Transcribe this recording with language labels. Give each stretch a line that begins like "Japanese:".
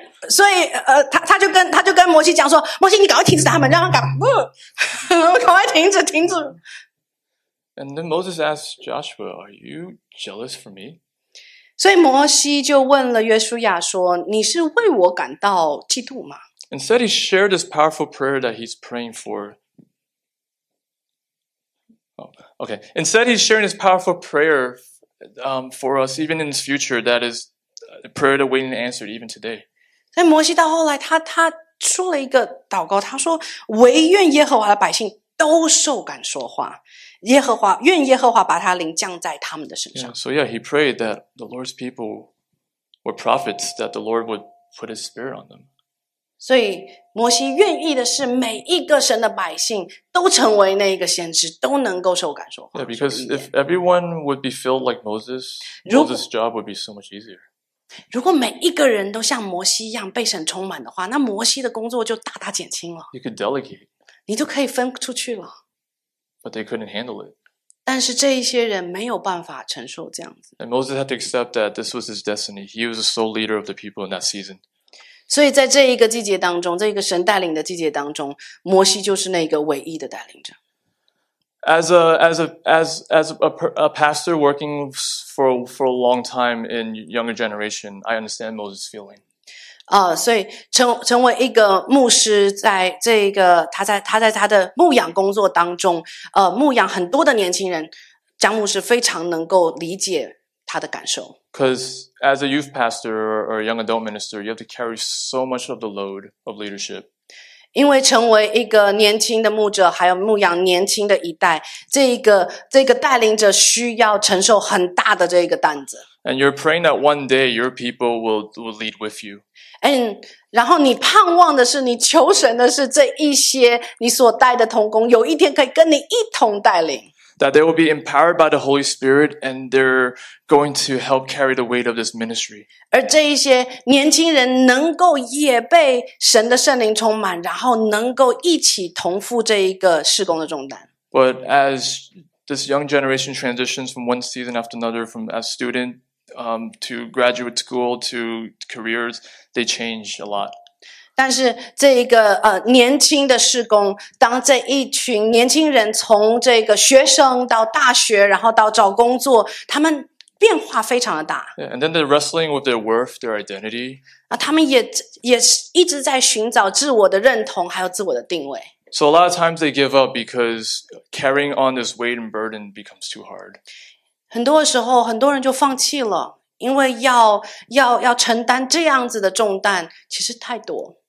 Chinese: 所以他就跟摩西讲说，摩西你赶快停止他们，让他赶快停止停止。
English: And then Moses asked Joshua, are you jealous for me?
Chinese: 所以摩西就问了约书亚说，你是为我感到嫉妒吗？
English: Instead, he shared this powerful prayer that he's praying for. Oh, okay. Instead, he's sharing this powerful prayer. For us, even in this future, that is a prayer that waiting to answer even today.
Chinese: 所以摩西到后来他说了一个祷告，他说唯愿耶和华的百姓都受感说话，愿耶和华把他灵降在他们的身上。
English: Yeah, so yeah, he prayed that the Lord's people were prophets, that the Lord would put his spirit on them.
Chinese: 所以摩西愿意的是每一个神的百姓都成为那一个先知，都能够受感说话。
English: Yeah, because if everyone would be filled like Moses, Moses' job would be so much easier.
Chinese: 如果每一个人都像摩西一样被神充满的话，那摩西的工作就大大减轻了。
English: You could delegate.
Chinese: 你都可以分出去了。
English: But they couldn't handle it.
Chinese: 但是这一些人没有办法承受这样子。
English: And Moses had to accept that this was his destiny. He was the sole leader of the people in that season.
Chinese: 所以在这一个季节当中，这个神带领的季节当中，摩西就是那个唯一的带领者。
English: As a pastor working for a long time in younger generation, I understand Moses' feeling.
Chinese: 所以成为一个牧师，在这个他在他的牧养工作当中，牧养很多的年轻人，张牧师非常能够理解他的感受。
English: Because as a youth pastor or a young adult minister, you have to carry so much of the load of leadership.
Chinese: 因为成为一个年轻的牧者，还有牧养年轻的一代，这个带领者需要承受很大的这个担子。
English: And you're praying that one day your people will lead with you. And
Chinese: 然后你盼望的是，你求神的是，这一些你所带的同工，有一天可以跟你一同带领。
English: That they will be empowered by the Holy Spirit, and they're going to help carry the weight of this ministry.
Chinese: 而这一些年轻人能够也被神的圣灵充满，然后能够一起同负这一个事工的重担。
English: But as this young generation transitions from one season after another, from as student, to graduate school to careers, they change a lot.
Chinese: 但是这一个年轻的事工，当这一群年轻人从这个学生到大学，然后到找工作，他们变化非常的大。
English: Yeah, and then they're wrestling with their worth, their identity.
Chinese: 他们也一直在寻找自我的认同，还有自我的定位。
English: So a lot of times they give up because carrying on this weight and burden becomes too hard.
Chinese: 很多时候，很多人就放弃了。因为要承担这样子的重担，其实太多。